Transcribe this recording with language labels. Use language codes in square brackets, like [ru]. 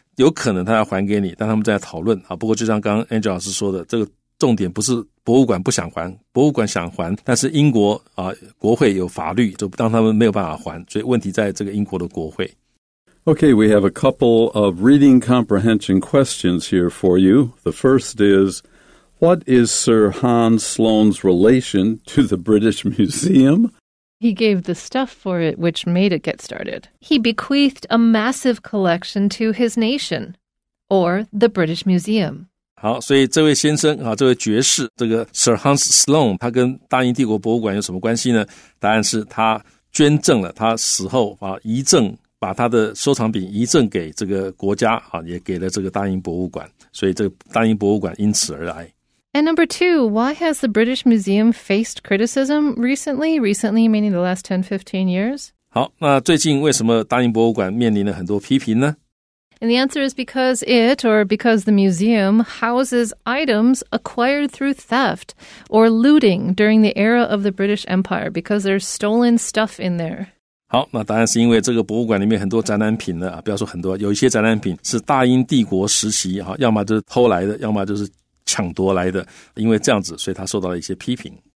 [zh] 有可能他要还给你，但他们在讨论啊。不过就像刚刚 Angel 老师说的，这个重点不是博物馆不想还，博物馆想还，但是英国啊，国会有法律，就让他们没有办法还，所以问题在这个英国的国会。 [en] Okay, we have a couple of reading comprehension questions here for you. The first is, what is Sir Hans Sloane's relation to the British Museum? He gave the stuff for it which made it get started. He bequeathed a massive collection to his nation, or the British Museum. [zh] 好，所以这位先生啊，这位爵士，这个 Sir Hans Sloane， 他跟大英帝国博物馆有什么关系呢？答案是他捐赠了，他死后啊，遗赠。把他的收藏品遗赠给这个国家啊，也给了这个大英博物馆，所以这个大英博物馆因此而来。 [en] And number two, why has the British Museum faced criticism recently? Recently meaning the last 10-15 years? [zh] 好，那最近为什么大英博物馆面临了很多批评呢？ [en] And the answer is because it, or because the museum, houses items acquired through theft or looting during the era of the British Empire, because there's stolen stuff in there. [zh] 好，那当然是因为这个博物馆里面很多展览品呢，不要说很多，有一些展览品是大英帝国时期，要么就是偷来的，要么就是抢夺来的，因为这样子，所以他受到了一些批评。